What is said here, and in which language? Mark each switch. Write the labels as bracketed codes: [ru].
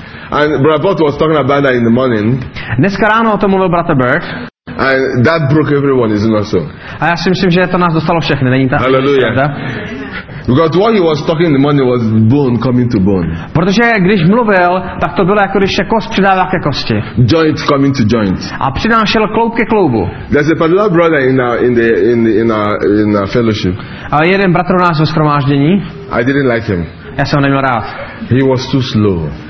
[en] And Brother Bert was talking about that in the morning. [cs] Dneska ráno o tom mluvil Brother Bert. [en] And that broke everyone, isn't that so? [cs] A já si myslím, že to nás dostalo všechny, není to? Hallelujah. Ta? [en] Because what he was talking in the morning was bone coming to bone. [cs] Protože když mluvil, tak to bylo jako když se kost přidává ke kosti. [en] Joint coming to joint. [cs] A přinášel kloub ke kloubu. [en] There's a particular brother in our fellowship. [cs] A jeden bratr u nás ve shromáždění. [en] I didn't like him. [cs] Já jsem ho neměl rád. [en] He was too slow.